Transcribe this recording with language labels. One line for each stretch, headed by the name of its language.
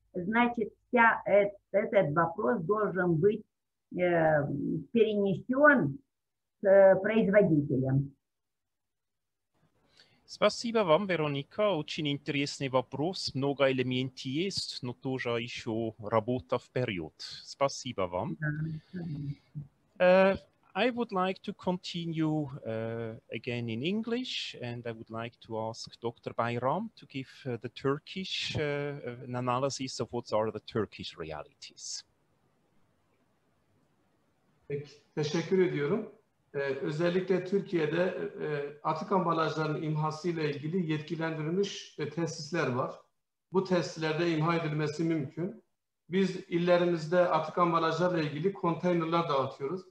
Russian: Значит, вся этот вопрос должен быть перенесен с производителем. Спасибо вам, Вероника. Очень интересный вопрос. Много элементов есть, но тоже еще работа вперед. Спасибо вам.
English: I would like to continue again in English, and I would like to ask Dr. Bayram to give the Turkish an analysis of what are the Turkish realities.
Turkish: Peki, teşekkür ediyorum. Özellikle Türkiye'de atık ambalajların imhası ile ilgili yetkilendirilmiş tesisler var. Bu tesislerde imha edilmesi mümkün. Biz illerimizde atık ambalajlarla ilgili konteynerler dağıtıyoruz.